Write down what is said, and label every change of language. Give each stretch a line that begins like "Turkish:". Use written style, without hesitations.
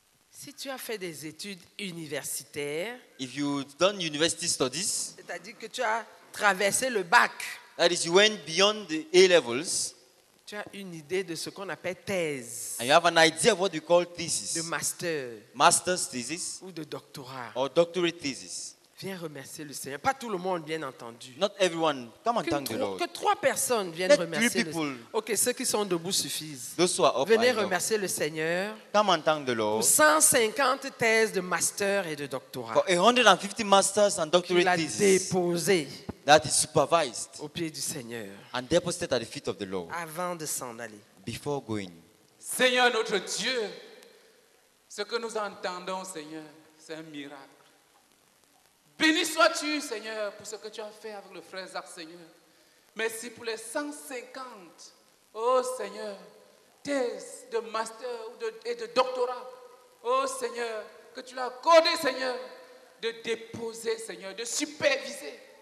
French: Si tu as fait des études universitaires,
English: if you've done university studies,
French: c'est-à-dire que tu as traversé le bac,
English: that is, you went beyond the A levels,
French: tu as une idée de ce qu'on appelle thèse,
English: and you have an idea of what you call thesis,
French: de master,
English: master's thesis,
French: ou de doctorat,
English: or doctorate thesis.
French: Viens remercier le Seigneur. Pas tout le monde, bien entendu.
English: Not everyone. Come and thank the Lord.
French: Que trois personnes viennent
English: Let
French: remercier
English: three people
French: le Seigneur. Okay, ceux qui sont debout suffisent.
English: Those who are up,
French: venez remercier le Seigneur.
English: Come and thank the Lord.
French: Pour 150 thèses de master et de doctorat.
English: For 150 masters and doctorate thesis.
French: Qu'il a déposé.
English: That is supervised.
French: Au pied du Seigneur.
English: And deposited at the feet of the Lord.
French: Avant de s'en aller.
English: Before going.
French: Seigneur notre Dieu, ce que nous entendons, Seigneur, c'est un miracle. Béni sois-tu, Seigneur, pour ce que tu as fait avec le frère Zach, Seigneur. Merci pour les 150, oh Seigneur, thèses de master et de doctorat, oh Seigneur, que tu l'as accordé, Seigneur, de déposer, Seigneur, de superviser.